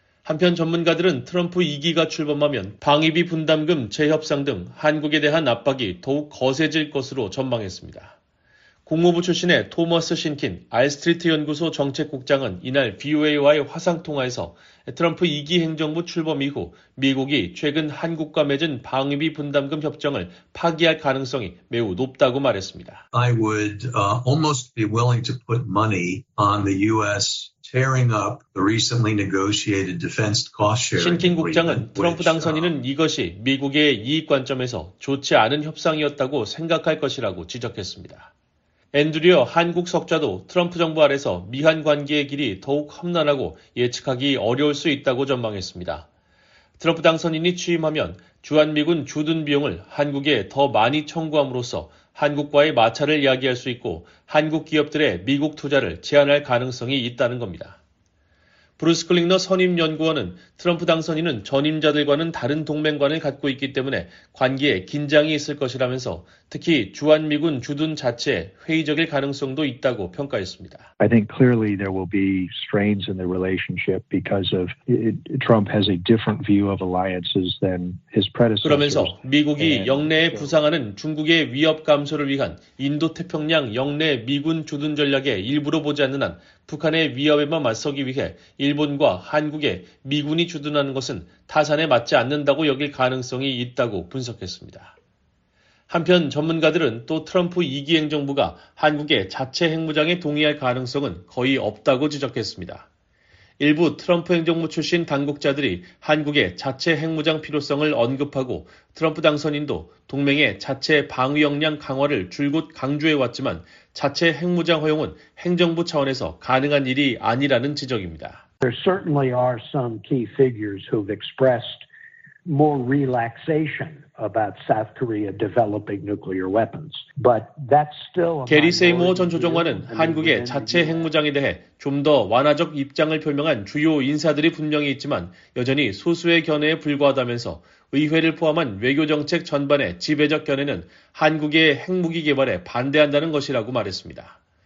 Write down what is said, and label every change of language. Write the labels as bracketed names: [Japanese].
[Korean] 한편 전문가들은 트럼프 2기가 출범하면 방위비 분담금 재협상 등 한국에 대한 압박이 더욱 거세질 것으로 전망했습니다. 국무부 출신의 토머스 신킨 알스트리트 연구소 정책국장은 이날 VOA와의 화상통화에서 트럼프 2기 행정부 출범 이후 미국이 최근 한국과 맺은 방위비 분담금 협정을 파기할 가능성이 매우 높다고 말했습니다. [English] I would almost be willing to put money on the U.S. tearing up the recently negotiated defense cost sharing. [Korean] 신킨 국장은 트럼프 당선인은 이것이 미국의 이익 관점에서 좋지 않은 협상이었다고 생각할 것이라고 지적했습니다. 앤드류어 한국 석좌도 트럼프 정부 아래서 미한 관계의 길이 더욱 험난하고 예측하기 어려울 수 있다고 전망했습니다. 트럼프 당선인이 취임하면 주한미군 주둔 비용을 한국에 더 많이 청구함으로써 한국과의 마찰을 야기할 수 있고 한국 기업들의 미국 투자를 제한할 가능성이 있다는 겁니다. 브루스 클링너 선임 연구원은 트럼프 당선인은 전임자들과는 다른 동맹관을 갖고 있기 때문에 관계에 긴장이 있을 것이라면서 특히 주한미군 주둔 자체에 회의적일 가능성도 있다고 평가했습니다. [English] I think clearly there will be strains in the relationship because of Trump has a different view of alliances than his predecessors. [Korean] 그러면서 미국이 영내에 부상하는 중국의 위협 감소를 위한 인도태평양 영내 미군 주둔 전략에 일부러 보지 않는 한 북한의 위협에만 맞서기 위해 일본과 한국에 미군이 주둔하는 것은 타산에 맞지 않는다고 여길 가능성이 있다고 분석했습니다. 한편 전문가들은 또 트럼프 2기 행정부가 한국의 자체 핵무장에 동의할 가능성은 거의 없다고 지적했습니다. 일부 트럼프 행정부 출신 당국자들이 한국의 자체 핵무장 필요성을 언급하고 트럼프 당선인도 동맹의 자체 방위 역량 강화를 줄곧 강조해왔지만 자체 핵무장 허용은 행정부 차원에서 가능한 일이 아니라는 지적입니다. [English] There certainly are some key figures who've expressed more relaxation about South Korea developing nuclear weapons. But that's still [Korean] 게리 세이모 전 조정관은 한국의 자체 핵무장에 대해 좀 더 완화적 입장을 표명한 주요 인사들이 분명히 있지만 여전히 소수의 견해에 불과하다면서 의회를 포함한 외교정책 전반의 지배적 견해는 한국의 핵무기 개발에 반대한다는 것이라고 말했습니다.